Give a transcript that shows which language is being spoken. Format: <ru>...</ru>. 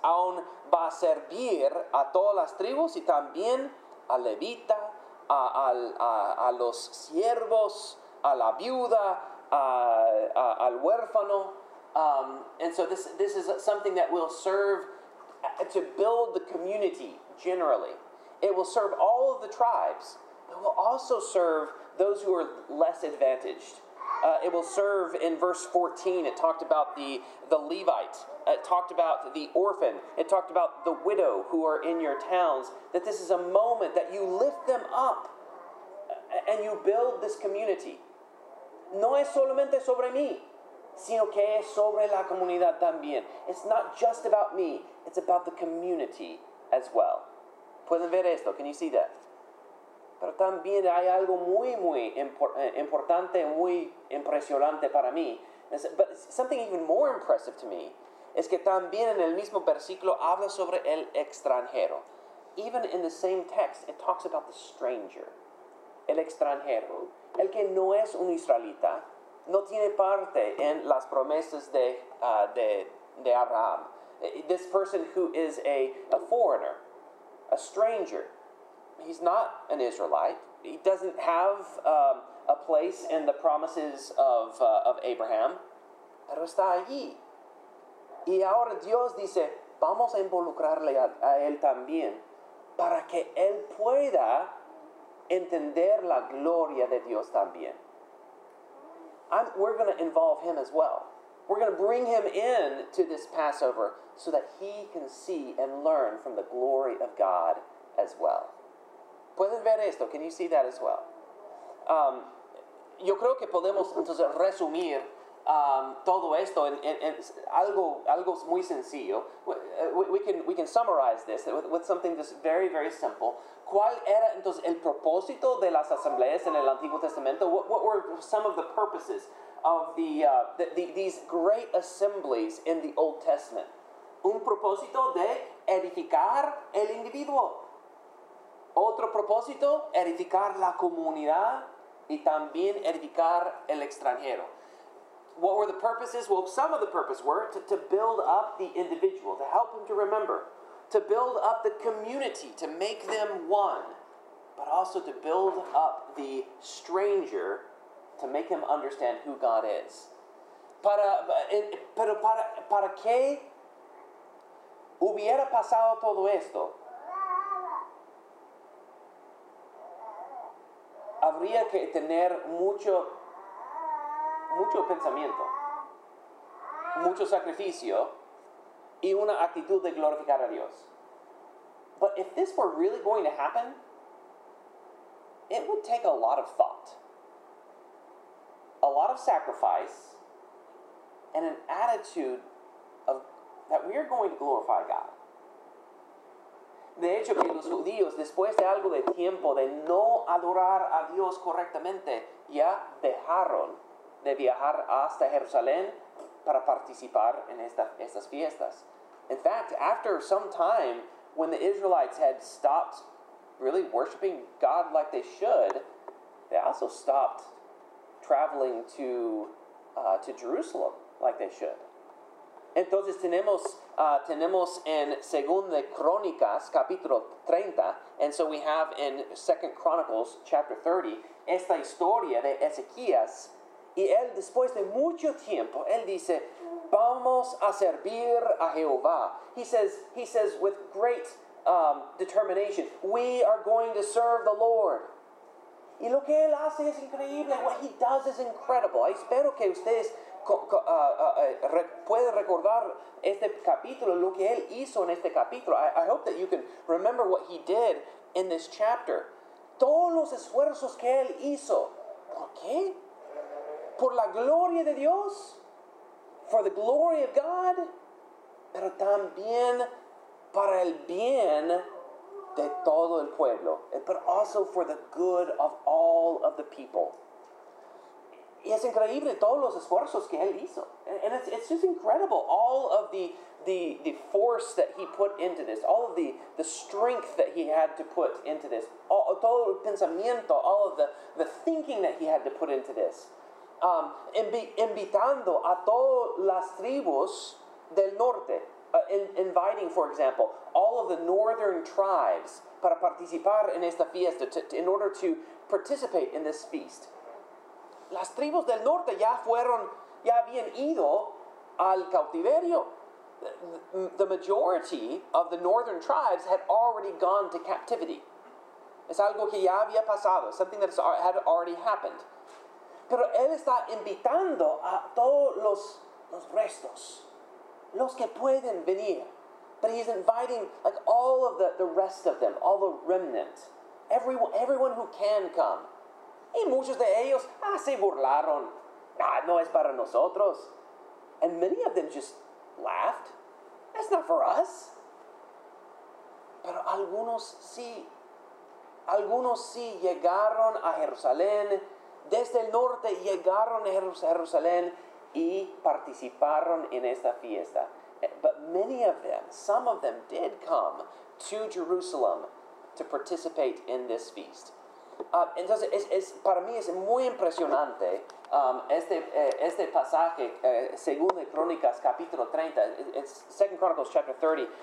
<es>Aún va a servir a todas las tribus y también a Levita, a los siervos, a la viuda, al huérfano.</es> <en>And so this is something that will serve to build the community generally. It will serve all of the tribes, but will also serve those who are less advantaged. It will serve in verse 14. It talked about the Levite. It talked about the orphan. It talked about the widow who are in your towns. That this is a moment that you lift them up and you build this community.</en> <es>No es solamente sobre mí, sino que es sobre la comunidad también.</es> <en>It's not just about me. It's about the community as well.</en> <es>¿Pueden ver esto?</es> <en>Can you see that?</en> <es>Pero también hay algo muy, muy importante, muy impresionante para mí.</es> <en>But something even more impressive to me</en> <es>es que también en el mismo versículo habla sobre el extranjero.</es> <en>Even in the same text, it talks about the stranger.</en> <es>El extranjero, el que no es un israelita, no tiene parte en las promesas de Abraham.</es> <en>This person who is a foreigner, a stranger. He's not an Israelite. He doesn't have a place in the promises of Abraham.</en> <es>Pero está allí. Y ahora Dios dice, vamos a involucrarle a él también para que él pueda entender la gloria de Dios también.</es> <en>We're going to involve him as well. We're going to bring him in to this Passover so that he can see and learn from the glory of God as well.</en> <es>¿Pueden ver esto?</es> <en>Can you see that as well?</en> <es>Yo creo que podemos entonces resumir todo esto en algo muy sencillo.</es> <en>We can summarize this with something just very, very simple.</en> <es>¿Cuál era entonces el propósito de las asambleas en el Antiguo Testamento?</es> <en>What were some of the purposes of these great assemblies in the Old Testament?</en> <es>Un propósito de edificar el individuo. Otro propósito, edificar la comunidad y también edificar el extranjero.</es> <en>What were the purposes? Well, some of the purpose were to build up the individual, to help him to remember, to build up the community, to make them one, but also to build up the stranger, to make him understand who God is.</en> <es>Para qué hubiera pasado todo esto? Habría que tener mucho pensamiento, mucho sacrificio, y una actitud de glorificar a Dios.</es> <en>But if this were really going to happen, it would take a lot of thought, a lot of sacrifice, and an attitude of that we are going to glorify God.</en> <es>De hecho, que los judíos, después de algo de tiempo de no adorar a Dios correctamente, ya dejaron de viajar hasta Jerusalén para participar en estas fiestas.</es> <en>In fact, after some time, when the Israelites had stopped really worshiping God like they should, they also stopped traveling to Jerusalem like they should.</en> <es>Entonces tenemos en Segunda Crónicas capítulo 30,</es> <en>and so we have in Second Chronicles chapter 30</en> <es>esta historia de Ezequías, y él después de mucho tiempo él dice vamos a servir a Jehová.</es> <en>He says with great determination, we are going to serve the Lord.</en> <es>Y lo que él hace es increíble.</es> <en>What he does is incredible.</en> <es>I espero que ustedes puede recordar este capítulo, lo que él hizo en este capítulo.</es> <en>I hope that you can remember what he did in this chapter.</en> <es>Todos los esfuerzos que él hizo. ¿Por qué? Por la gloria de Dios.</es> <en>For the glory of God.</en> <es>Pero también para el bien de todo el pueblo.</es> <en>But also for the good of all of the people.</en> <es>Y es increíble todos los esfuerzos que él hizo.</es> <en>And it's just incredible all of the force that he put into this, all of the strength that he had to put into this,</en> <es>todo el pensamiento,</es> <en>all of the thinking that he had to put into this.</en> <es>Invitando a todas las tribus del norte,</es> <en>inviting, for example, all of the northern tribes</en> <es>para participar en esta fiesta,</es> <en>in order to participate in this feast.</en> <es>Las tribus del norte ya habían ido al cautiverio.</es> <en>The majority of the northern tribes had already gone to captivity.</en> <es>Es algo que ya había pasado,</es> <en>something that had already happened.</en> <es>Pero él está invitando a todos los restos, los que pueden venir.</es> <en>But he's inviting like all of the rest of them, all the remnant, everyone who can come.</en> <es>Y muchos de ellos, se burlaron. Ah, no es para nosotros.</es> <en>And many of them just laughed. That's not for us.</en> <es>Pero algunos sí llegaron a Jerusalén. Desde el norte llegaron a Jerusalén y participaron en esta fiesta.</es> <en>But many of them, some of them did come to Jerusalem to participate in this feast.</en> <es>Entonces, para mí es muy impresionante este pasaje, Segunda Crónicas capítulo 30,</es> <en>it's Second Chronicles chapter 30.</en>